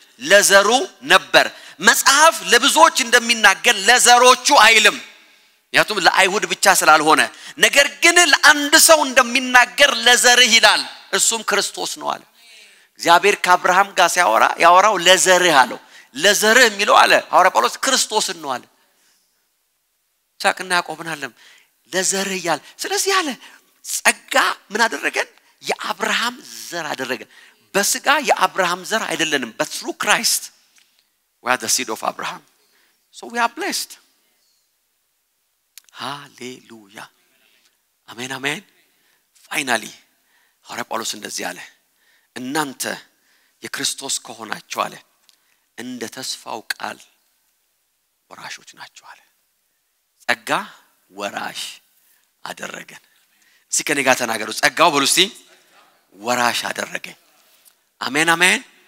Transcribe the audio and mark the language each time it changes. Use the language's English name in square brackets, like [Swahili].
[Amharic] ለዘሩ ነበር። መጽሐፍ ለብዙዎች እንደሚናገር ለዘሮቹ አይልም። ያቱም ለአይሁድ ብቻ ስላልሆነ ነገር ግን ለአንድ ሰው እንደሚናገር ለዘርህ ይላል። እሱም ክርስቶስ ነው አለ። እግዚአብሔር ከአብርሃም ጋር ሲያወራ ያወራው ለዘርህ አለው። ለዘርህ የሚለው አለ አውራ ጳውሎስ ክርስቶስ ነው አለ። ቻክና ያቆብን አለም ለዘርህ ይላል። ስለዚህ አለ ጸጋ ምን አደረገን? የአብርሃም ዘር አደረገን። በስጋ የአብርሃም ዘር አይደለንም [English] but through Christ we are the seed of Abraham so we are blessed. Hallelujah. Amen amen. [Amharic] Finally ሐዋርያ ጳውሎስ እንደዚህ አለ እናንተ የክርስቶስ ከሆናችሁ አለ እንደ ተስፋው ቃል ወራሾች ናችሁ አለ። ጸጋ ወራሽ አደረገን። እስኪ ከኔ ጋር ተናገሩ ጸጋው ብሉ እስቲ ወራሽ አደረገን። [English] Amen amen.